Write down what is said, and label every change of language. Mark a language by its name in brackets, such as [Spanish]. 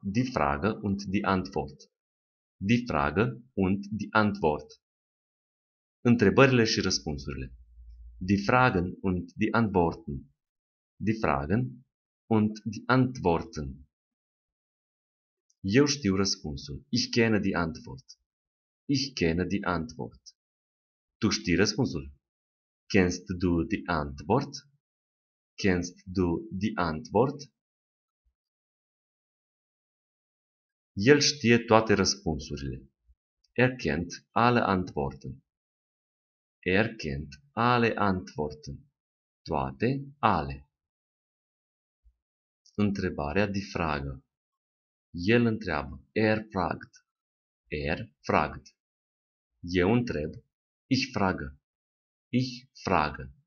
[German] Die Frage und die Antwort. Die Frage und die Antwort. [Romanian] Întrebările și răspunsurile. [German] Die Fragen und die Antworten. Die Fragen und die Antworten. [Romanian] Eu știu răspunsul. [German] Ich kenne die Antwort. Ich kenne die Antwort. [Romanian] Tu știi răspunsul? [German] Kennst du die Antwort? Kennst du die Antwort? [Romanian] El știe toate răspunsurile. [German] Er kennt alle Antworten. Er kennt alle Antworten. [Romanian] Toate, alle. Întrebarea de fragă. El întreabă. [German] Er fragt. Er fragt. [Romanian] Eu întreb. [German] Ich frage. Ich frage.